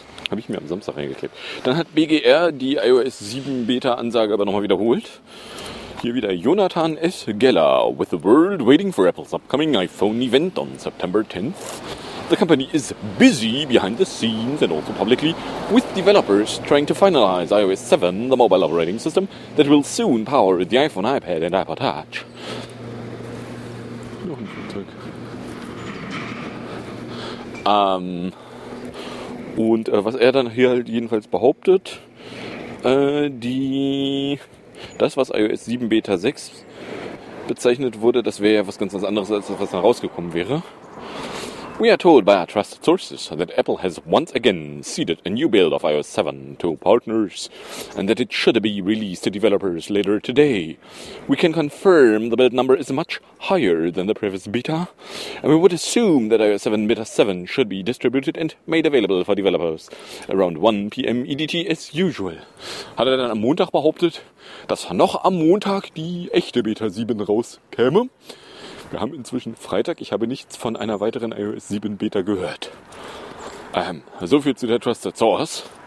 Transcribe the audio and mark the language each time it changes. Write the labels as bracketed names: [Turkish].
[German] Habe ich mir am Samstag reingeklebt. Dann hat BGR die iOS 7 Beta-Ansage aber nochmal wiederholt. Hier wieder Jonathan S. Geller. [English] With the world waiting for Apple's upcoming iPhone event on September 10th. The company is busy behind the scenes and also publicly with developers trying to finalize iOS 7, the mobile operating system that will soon power the iPhone, iPad and iPod Touch. [German] Was er dann hier halt jedenfalls behauptet, das, was iOS 7 Beta 6 bezeichnet wurde, das wäre ja was ganz anderes, als das, was da rausgekommen wäre. [English] We are told by our trusted sources that Apple has once again ceded a new build of iOS 7 to partners and that it should be released to developers later today. We can confirm the build number is much higher than the previous beta, and we would assume that iOS 7 Beta 7 should be distributed and made available for developers around 1 p.m. EDT as usual. [German] Hat er dann am Montag behauptet, dass noch am Montag die echte Beta 7 rauskäme? Wir haben inzwischen Freitag, ich habe nichts von einer weiteren iOS 7 Beta gehört. Soviel zu der Trusted Source.